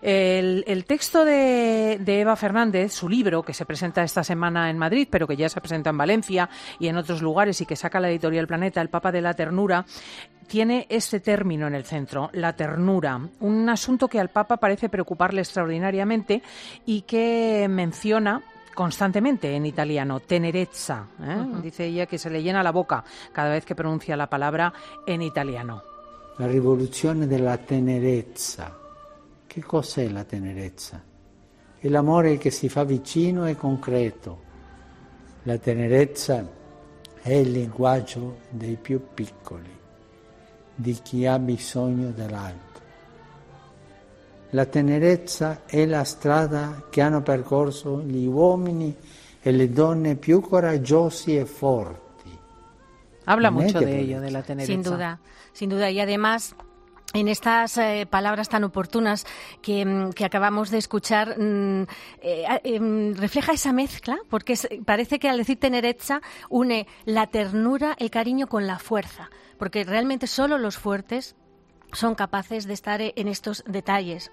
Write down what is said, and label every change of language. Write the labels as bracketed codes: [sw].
[es] El texto de Eva Fernández, su libro, que se presenta esta semana en Madrid, pero que ya se presenta en Valencia y en otros lugares, y que saca la editorial Planeta, El Papa de la Ternura, tiene este término en el centro, la ternura, un asunto que al Papa parece preocuparle extraordinariamente y que menciona constantemente en italiano, tenerezza, ¿eh? Uh-huh. Dice ella que se le llena la boca cada vez que pronuncia la palabra en italiano. [it] La rivoluzione della tenerezza. Che cos'è la tenerezza? È l'amore che si fa vicino e concreto. La tenerezza è il linguaggio dei più piccoli, di chi ha bisogno dell'altro. La tenerezza è la strada che hanno percorso gli uomini e le donne più coraggiosi e forti. [es] Habla mucho de ello, de la tenerezza. Sin duda. Sin duda, y además, en estas palabras tan oportunas que acabamos de escuchar, refleja esa mezcla, porque parece que al decir tenerezza une la ternura, el cariño, con la fuerza, porque realmente solo los fuertes son capaces de estar en estos detalles.